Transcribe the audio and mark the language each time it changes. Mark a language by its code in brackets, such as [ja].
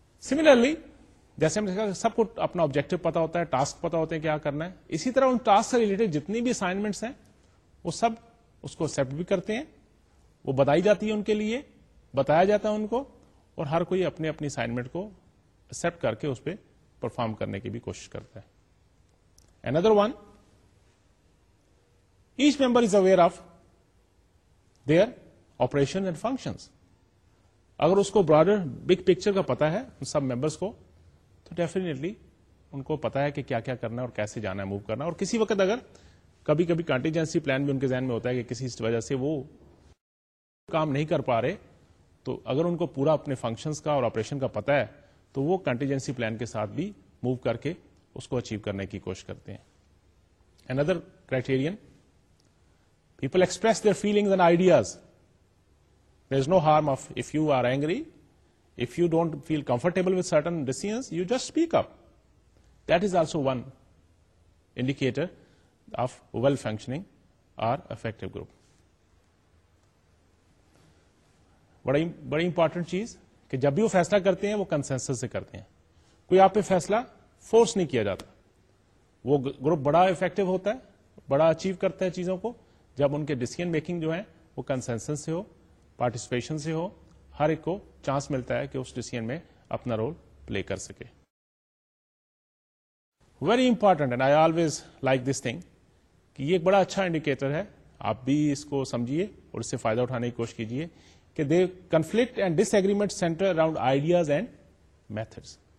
[ur] Similarly, جیسے ہم نے کہا سب کو اپنا آبجیکٹو پتا ہوتا ہے, ٹاسک پتا ہوتے ہیں کیا کرنا ہے, اسی طرح ان ٹاسک سے ریلیٹڈ جتنی بھی اسائنمنٹس ہیں وہ سب اس کو ایکسپٹ بھی کرتے ہیں, وہ بتائی جاتی ہے ان کے لیے, بتایا جاتا ہے ان کو, اور ہر کوئی اپنے اپنی اسائنمنٹ کو ایکسپٹ کر کے اس پہ پرفارم کرنے کی بھی کوشش کرتا ہے. [en] Another one, each member is aware of their operations and functions. [ur] اگر اس کو [en] broader big picture [ur] کا پتا ہے ان سب members کو, تو ڈیفینیٹلی ان کو پتا ہے کہ کیا کیا کرنا ہے اور کیسے جانا ہے, موو کرنا. اور کسی وقت اگر کبھی کبھی کنٹیجنسی پلان بھی ان کے ذہن میں ہوتا ہے کہ کسی وجہ سے وہ کام نہیں کر پا رہے, تو اگر ان کو پورا اپنے فنکشنز کا اور آپریشن کا پتا ہے تو وہ کنٹیجنسی پلان کے ساتھ بھی موو کر کے اس کو اچیو کرنے کی کوشش کرتے ہیں. [en] Another criterion, people express their feelings and ideas. There is no harm of if you are angry. If you don't feel comfortable with certain decisions, you just speak up. That is also one indicator of well-functioning or effective group. Very important thing is that when they decide, they do it with consensus. No one has forced you to decide. That group is very effective, it achieves things very well. When their decision-making is consensus, participation, [ur] ہر ایک کو chance ملتا ہے کہ اس decision میں اپنا role play کر سکے. [en] very important and I always like this thing, [ur] کہ یہ ایک بڑا اچھا انڈیکیٹر ہے, آپ بھی اس کو سمجھیے اور اس سے فائدہ اٹھانے کی کوشش کیجیے, کہ [en] They conflict and disagreement centre around ideas and methods.